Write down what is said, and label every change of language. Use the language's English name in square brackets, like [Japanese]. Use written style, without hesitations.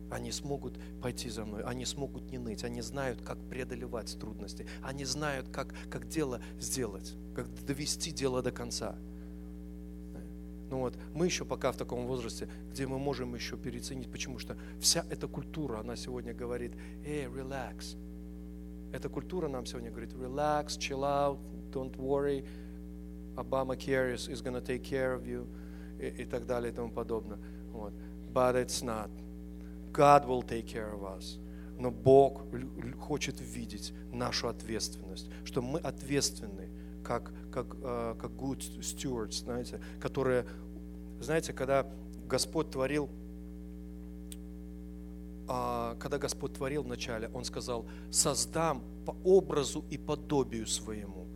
[Russian] Они смогут пойти за мной, они смогут не ныть, они знают, как преодолевать трудности, они знают, как дело сделать, как довести дело до конца. Ну вот, мы еще пока в таком возрасте, где мы можем еще переоценить, потому что вся эта культура, она сегодня говорит, эй, relax. Эта культура нам сегодня говорит, [English] relax, chill out, don't worry, Obamacare is going to take care of you, [Russian] и так далее, и тому подобное. [English] Вот. But it's not. God will take care of us. [Russian] Но Бог хочет видеть нашу ответственность, что мы ответственны, как [English] good stewards, [Russian] знаете, которые, знаете, когда Господь творил вначале, Он сказал, создам по образу и подобию своему.